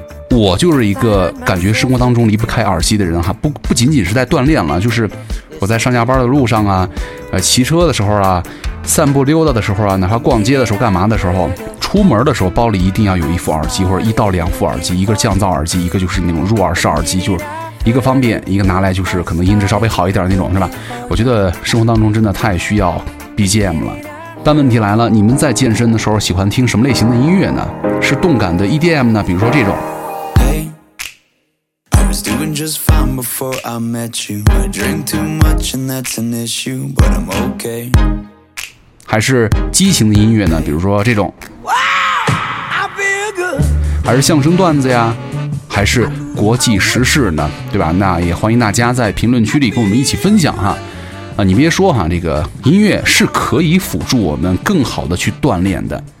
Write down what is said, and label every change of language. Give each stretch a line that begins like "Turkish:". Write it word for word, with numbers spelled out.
Chinese: 我就是一个感觉生活当中离不开耳机的人哈、啊，不不仅仅是在锻炼了，就是我在上下班的路上啊，呃，骑车的时候啊，散步溜达的时候啊，哪怕逛街的时候干嘛的时候，出门的时候包里一定要有一副耳机或者一到两副耳机，一个降噪耳机，一个就是那种入耳式耳机，就是。一个方便，一个拿来就是可能音质稍微好一点那种，是吧？我觉得生活当中真的太需要 B G M 了。但问题来了，你们在健身的时候喜欢听什么类型的音乐呢？是动感的 E D M 呢？比如说这种。
English: Hey, I was doing just fine before I met you. I drink too much and that's an issue, but I'm okay.
Chinese: 还是激情的音乐呢？比如说这种。
English: Wow, I feel good.
Chinese: 还是相声段子呀？还是国际时事呢，对吧？那也欢迎大家在评论区里跟我们一起分享哈。啊，你别说哈，这个音乐是可以辅助我们更好的去锻炼的。